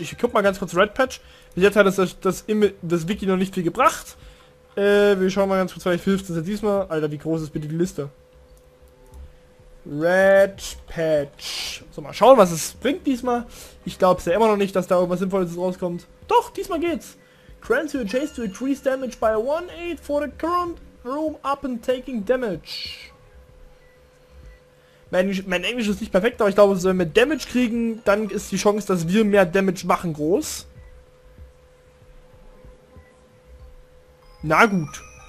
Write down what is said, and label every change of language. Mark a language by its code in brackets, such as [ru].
[de] Ich guck mal ganz kurz Red Patch. Jetzt hat das Wiki noch nicht viel gebracht. Wir schauen mal ganz kurz, vielleicht hilft es ja diesmal. Alter, wie groß ist bitte die Liste? Red Patch. So, mal schauen, was es bringt diesmal. Ich glaube es ja immer noch nicht, dass da irgendwas Sinnvolles rauskommt. Doch, diesmal geht's. [en] Grants your chase to increase damage by 1/8 for the current room up and taking damage. [de] Mein Englisch ist nicht perfekt, aber ich glaube, wenn wir Damage kriegen, dann ist die Chance, dass wir mehr Damage machen, groß. Na gut.